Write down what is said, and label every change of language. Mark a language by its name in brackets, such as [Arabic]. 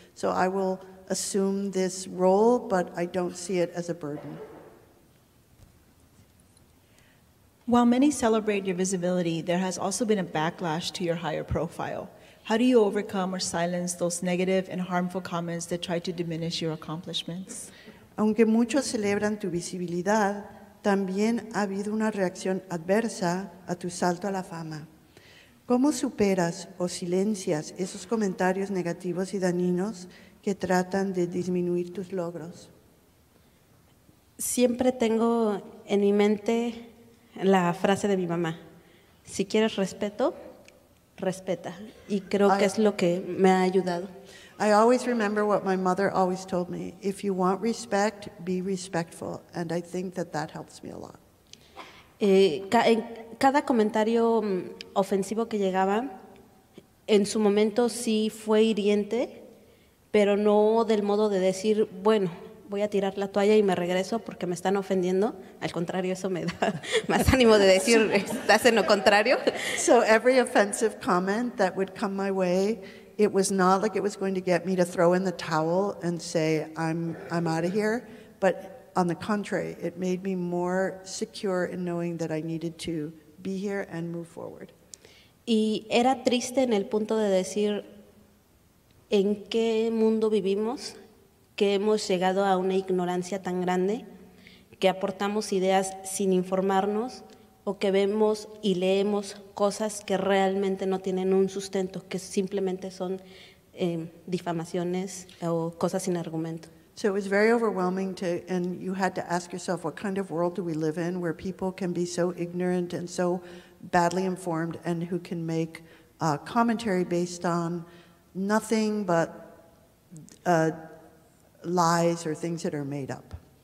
[English] So I will assume this role, but I don't see it as a burden. While many celebrate your visibility, there has also been a backlash to your higher profile. How do you overcome or silence those negative and harmful comments that try to diminish your accomplishments? [Spanish] Aunque muchos celebran tu visibilidad, también ha habido una reacción adversa a tu salto a la fama. ¿Cómo superas o silencias esos comentarios negativos y dañinos que tratan de disminuir tus logros? Siempre tengo en mi mente la frase de mi mamá. Si quieres respeto, respeta. Y creo que es lo que me ha ayudado. [English] I always remember what my mother always told me, if you want respect, be respectful, and I think that that helps me a lot. [Spanish] Cada comentario ofensivo que llegaba, en su momento sí fue hiriente, pero no del modo de decir, bueno, voy a tirar la toalla y me regreso porque me están ofendiendo. Al contrario, eso me da más ánimo de decir, estás en lo contrario. [English] So every offensive comment that would come my way, it was not like it was going to get me to throw in the towel and say, I'm out of here. But on the contrary, it made me more secure in knowing that I needed to be here and move forward. [Spanish] Y era triste en el punto de decir, ¿En qué mundo vivimos que hemos llegado a una ignorancia tan grande que aportamos ideas sin informarnos o que vemos y leemos cosas que realmente no tienen un sustento, que simplemente son difamaciones o cosas sin argumento? [English] So it was very overwhelming to, and you had to ask yourself, what kind of world do we live in where people can be so ignorant and so badly informed and who can make a commentary based on nothing but lies or things that are made up.